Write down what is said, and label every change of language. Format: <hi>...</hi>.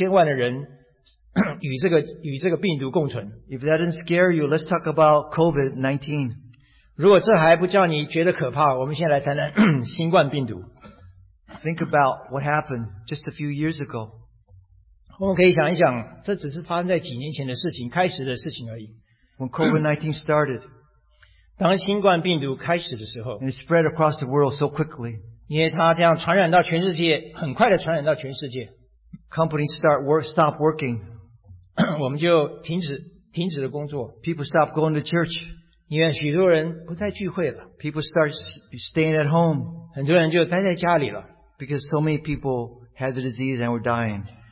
<zh>现在甚至有几乎四千万的人与这个病毒共存。</zh> <en>If that doesn't scare you, let's talk about COVID-19.</en> <zh>如果这还不叫你觉得可怕，我们先来谈谈新冠病毒。</zh> <en>Think about what happened just a few years ago.</en> <zh>我们可以想一想，这只是发生在几年前的事情，开始的事情而已。</zh> <en>When COVID-19 started,</en> <zh>当新冠病毒开始的时候，</zh> <en>and it spread across the world so quickly.</en> <zh>因为它这样传染到全世界，很快的传染到全世界。</zh> <en>Companies start work, stop working.</en> <zh>我们就停止了工作。</zh> <en>People stop going to church.</en> <zh>因为许多人不再聚会了。</zh> <en>People start staying at home.</en> <zh>很多人就待在家里了。</zh> <en>Because so many people had the disease and were dying.</en>